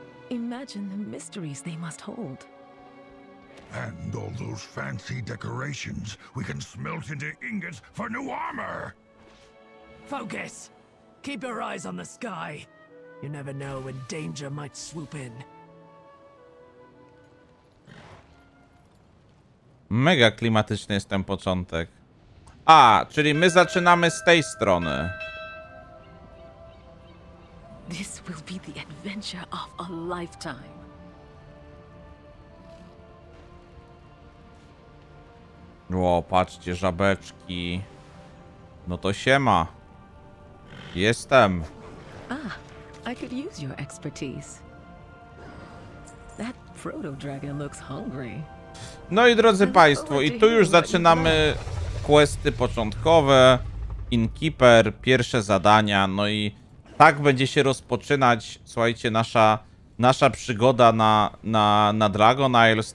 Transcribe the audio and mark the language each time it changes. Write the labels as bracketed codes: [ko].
[en] Imagine the mysteries they must hold. And all those fancy decorations we can smelt into ingots for new armor. Focus. Keep your eyes on the sky. You never know when danger might swoop in. [pl] Mega klimatyczny jest ten początek. A, czyli my zaczynamy z tej strony. [en] This will be the adventure of a lifetime. [pl] Wow, patrzcie, żabeczki. No to siema. Jestem. [en] Ah, I could use your expertise. That proto-dragon looks hungry. [pl] No i drodzy państwo, i tu już zaczynamy questy początkowe. Innkeeper, pierwsze zadania, no i... tak będzie się rozpoczynać, słuchajcie, nasza przygoda na Dragon Isles.